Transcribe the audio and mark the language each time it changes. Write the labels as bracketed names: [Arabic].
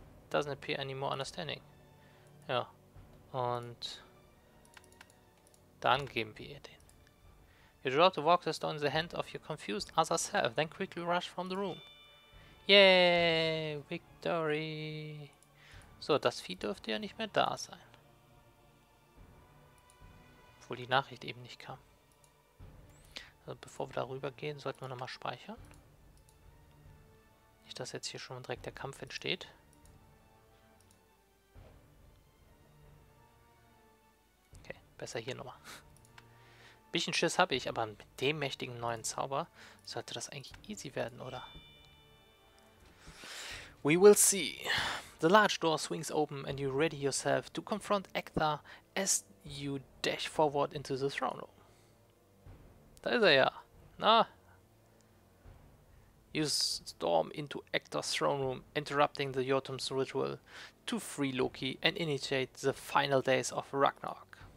[English] Doesn't appear any more understanding. [German] Ja. Und dann geben wir ihr den. [English] You drop the walk stone in the hand of your confused other self, then quickly rush from the room. Yay! Victory! [German] So, das Vieh dürfte ja nicht mehr da sein. Obwohl die Nachricht eben nicht kam. Also bevor wir darüber gehen, sollten wir nochmal speichern. Nicht, dass jetzt hier schon direkt der Kampf entsteht. Okay, besser hier nochmal. Bisschen Schiss habe ich, aber mit dem mächtigen neuen Zauber sollte das eigentlich easy werden, oder? [English] We will see. The large door swings open and you ready yourself to confront Egthor as you dash forward into the throne room. [German] Da ist er ja. Na? [English] You storm into Egthor's throne room, interrupting the Jotun's ritual to free Loki and initiate the final days of Ragnarok.